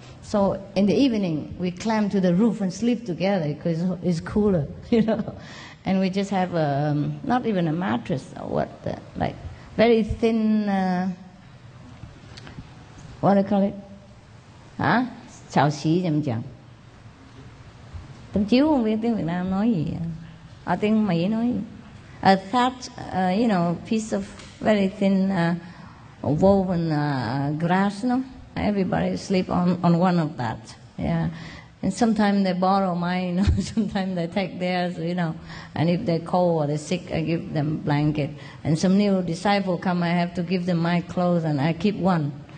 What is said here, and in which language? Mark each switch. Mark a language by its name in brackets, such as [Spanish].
[English] So in the evening, we climb to the roof and sleep together because it's cooler, you know. And we just have not even a mattress or what, like very thin, what do you call it? [Chinese] Huh? 草席怎么讲? [Vietnamese] Tấm chiếu không biết tiếng Việt Nam nói gì, ở tiếng Mỹ nói gì. [English] A thatch, you know, piece of very thin woven grass, no? Everybody sleep on one of that, yeah. And sometimes they borrow mine, you know, sometimes they take theirs, you know. And if they're cold or they're sick, I give them blanket. And some new disciple come, I have to give them my clothes and I keep one.